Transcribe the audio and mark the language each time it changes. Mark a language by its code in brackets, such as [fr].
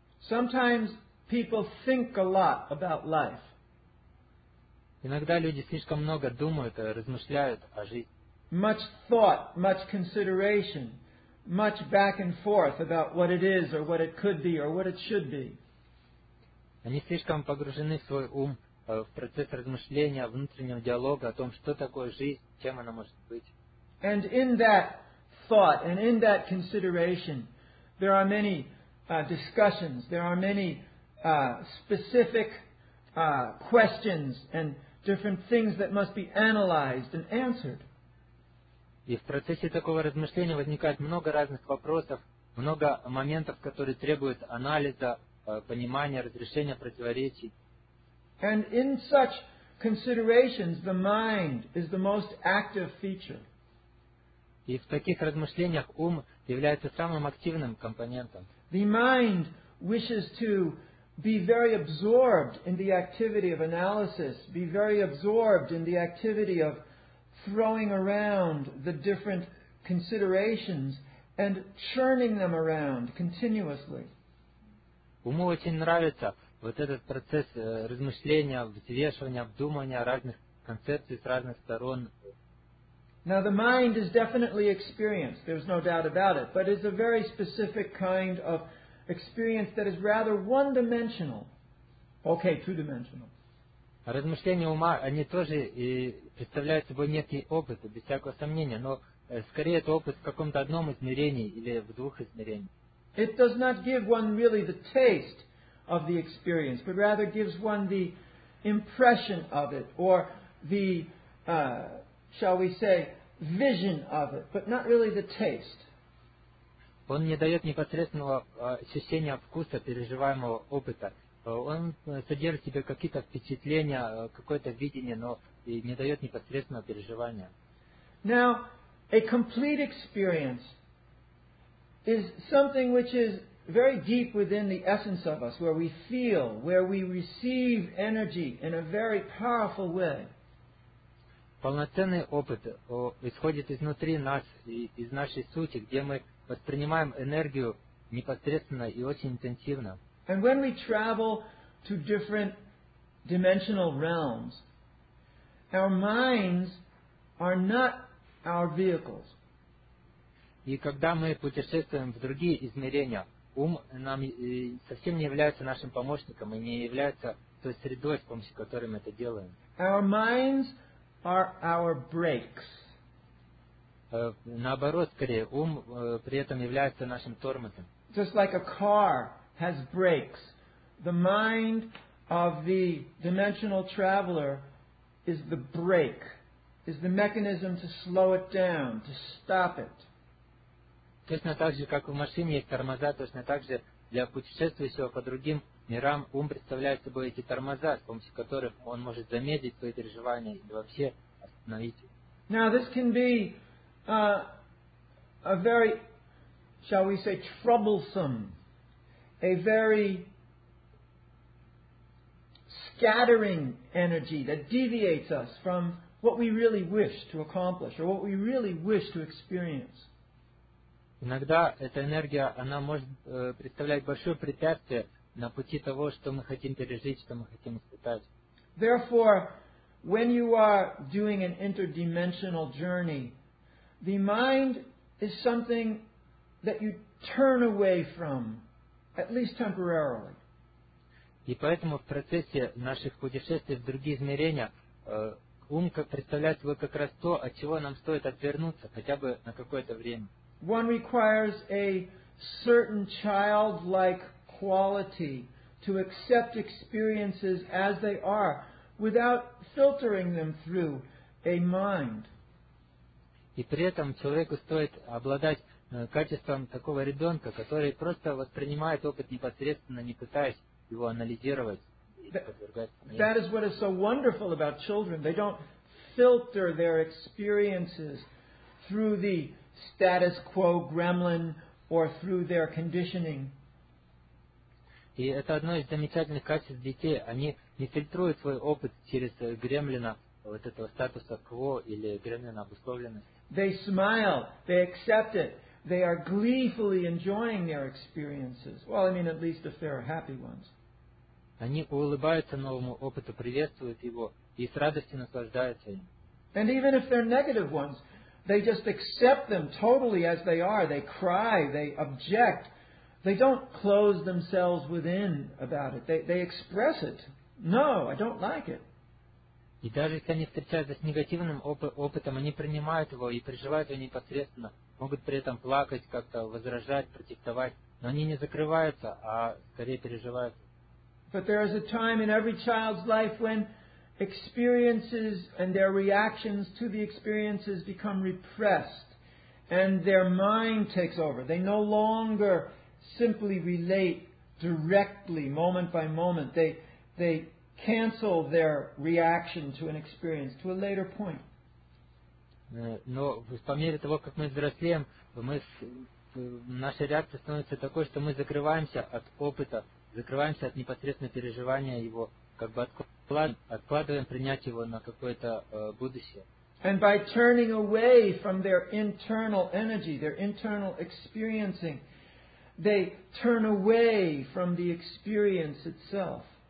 [en] Sometimes people think a lot about life. [ru] Иногда люди слишком много думают, размышляют о жизни. [en] Much thought, much consideration, much back and forth about what it is or what it could be or what it should be. [ru] Они слишком погружены в свой ум, в процесс размышления, внутреннего диалога о том, что такое жизнь, чем она может быть. [en] And in that thought and in that consideration, there are many discussions, there are many specific questions and different things that must be analyzed and answered. [ru] И в процессе такого размышления возникает много разных вопросов, много моментов, которые требуют анализа, понимания, разрешения противоречий. [en] And in such considerations, the mind is the most active feature. [ru] И в таких размышлениях ум является самым активным компонентом. [en] The mind wishes to be very absorbed in the activity of analysis, be very absorbed in the activity of throwing around the different considerations and churning them around continuously. [ru] Уму очень нравится вот этот процесс размышления, взвешивания, обдумывания разных концепций с разных сторон. [en] Now the mind is definitely experienced, there's no doubt about it, but it's a very specific kind of experience that is rather one-dimensional. Okay, two-dimensional. [ru] Размышления ума, они тоже и представляют собой некий опыт, без всякого сомнения, но скорее это опыт в каком-то одном измерении или в двух измерениях. [en] It does not give one really the taste of the experience, but rather gives one the impression of it, or the, shall we say, vision of it, but not really the taste. [ru] Он не дает непосредственного ощущения вкуса переживаемого опыта. Он содержит в себе какие-то впечатления, какое-то видение, но и не дает непосредственного переживания. [en] Now, a complete experience is something which is very deep within the essence of us, where we feel, where we receive energy in a very powerful way. [ru] Полноценный опыт исходит изнутри нас, из нашей сути, где мы воспринимаем энергию непосредственно и очень интенсивно. [en] And when we travel to different dimensional realms, our minds are not our vehicles. [ru] И когда мы путешествуем в другие измерения, ум нам совсем не является нашим помощником и не является той средой, с помощью которой мы это делаем. [en] Our minds are our brakes. [ru] Наоборот, скорее, ум при этом является нашим тормозом. [en] Just like a car has brakes, the mind of the dimensional traveler is the brake, is the mechanism to slow it down, to stop it. [ru] Точно так же, как в машине есть тормоза, точно так же для путешествующего по другим мирам ум представляет собой эти тормоза, с помощью которых он может замедлить свои переживания и вообще остановить. [en] Now this can be a very, shall we say, troublesome, a very scattering energy that deviates us from what we really wish to accomplish or what we really wish to experience. [ru] Иногда эта энергия, она может представлять большое препятствие на пути того, что мы хотим пережить, что мы хотим испытать. [en] Therefore, When you are doing an interdimensional journey, the mind is something that you turn away from, at least temporarily. [ru] И поэтому в процессе наших путешествий в другие измерения ум представляет собой как раз то, от чего нам стоит отвернуться хотя бы на какое-то время. [en] One requires a certain childlike quality to accept experiences as they are, without filtering them through a mind. [ru] И при этом человеку стоит обладать качеством такого ребенка, который просто воспринимает опыт непосредственно, не пытаясь его анализировать. [en] That is what is so wonderful about children. They don't filter their experiences through the status quo gremlin or through their conditioning. [ru] И это одно из замечательных качеств детей. Они не фильтруют свой опыт через гремлина, вот этого статуса quo или гремлина обусловленности. [en] They smile. They accept it. They are gleefully enjoying their experiences. Well, I mean, at least if they're happy ones. [ru] Они улыбаются новому опыту, приветствуют его и с радостью наслаждаются им. [en] And even if they're negative ones, they just accept them totally as they are. They cry. They object. They don't close themselves within about it. They express it. No, I don't like it. [ru] И даже если они встречаются с негативным опытом, они принимают его и переживают его непосредственно. Могут при этом плакать, как-то возражать, протестовать. Но они не закрываются, а скорее переживают. [en] But there is a time in every child's life when experiences and their reactions to the experiences become repressed. And their mind takes over. They no longer simply relate directly, moment by moment. They cancel their reaction to an experience to a later point. [ru] Но по мере того, как мы взрослеем, наша реакция становится такой, что мы закрываемся от опыта, закрываемся от непосредственного переживания его, как бы откладываем принять его на какое-то будущее. [en] And by turning away from their internal energy, their internal experiencing, they turn away from the experience itself.